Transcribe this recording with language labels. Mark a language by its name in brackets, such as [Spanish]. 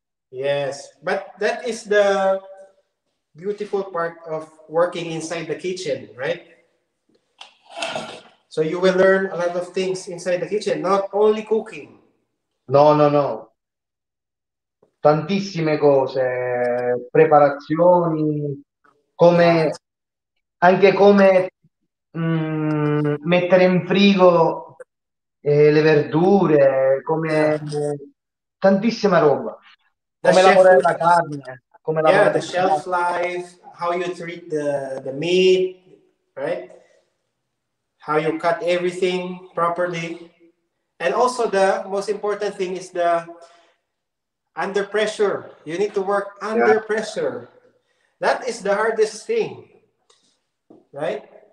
[English] Yes, but that is the beautiful part of working inside the kitchen, right? So you will learn a lot of things inside the kitchen, not only cooking. No. [Italian] Tantissime cose, preparazioni, come anche come mettere in frigo le verdure, come tantissima roba, come lavorare la carne, come [English] lavorare the shelf life, how you treat the meat, right, how you cut everything properly, and also the most important thing is the under pressure. You need to work under pressure. That is the hardest thing, right?